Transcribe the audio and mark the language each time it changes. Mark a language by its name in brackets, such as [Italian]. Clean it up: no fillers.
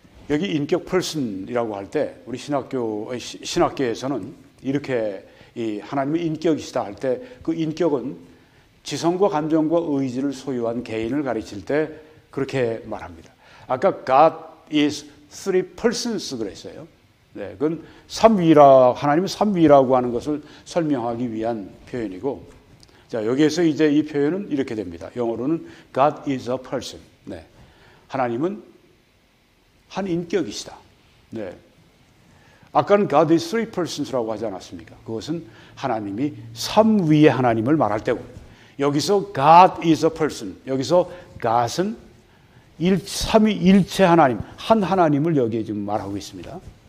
[Korean] 여기 인격 person이라고 할 때, 우리 신학계에서는 이렇게 이 하나님은 인격이시다 할 때, 그 인격은 지성과 감정과 의지를 소유한 개인을 가리킬 때 그렇게 말합니다. [English] 아까 God is three persons [Korean] 그랬어요. 네, 그건 하나님은 삼위라고 하는 것을 설명하기 위한 표현이고, 자, 여기에서 이제 이 표현은 이렇게 됩니다. 영어로는 [English] God is a person. [Korean] 네. 하나님은 한 인격이시다. 네. 아까는 [English] God is three persons [Korean] 라고 하지 않았습니까? 그것은 하나님이 삼위의 하나님을 말할 때고, 여기서 [English] God is a person. [Korean] 여기서 God은 삼위일체 하나님, 한 하나님을 여기에 지금 말하고 있습니다.